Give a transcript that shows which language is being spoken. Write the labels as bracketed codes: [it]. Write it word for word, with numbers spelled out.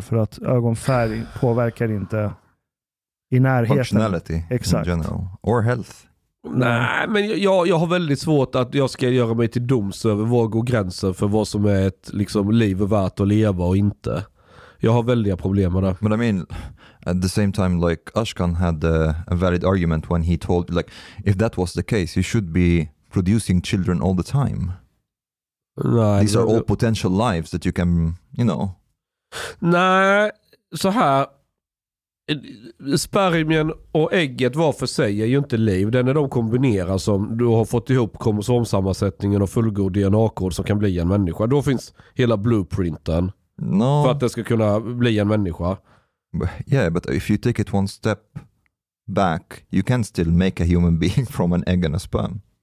[sv] För att ögonfärg påverkar inte... i närheten. [en] Functionality. [sv] Exakt. [en] In general. Or health. [sv] Nej, men jag, jag har väldigt svårt att jag ska göra mig till doms över var går gränsen för vad som är ett liksom, liv värt att leva och inte. Jag har väldiga problem med det. [en] But I mean, at the same time, like Ashkan had a, a valid argument when he told, like, if that was the case, you should be producing children all the time. [sv] Nej, [en] These are all potential lives that you can, you know. [sv] Nej, så här. Spermien och ägget var för sig är ju inte liv. Det är när de kombineras som du har fått ihop kromosomsammansättningen och fullgod D N A-kod som kan bli en människa. Då finns hela blueprinten [en] no. [sv] för att det ska kunna bli en människa. [en] Yeah, but if you take it one step back, you can still make a human being from an egg and a sperm.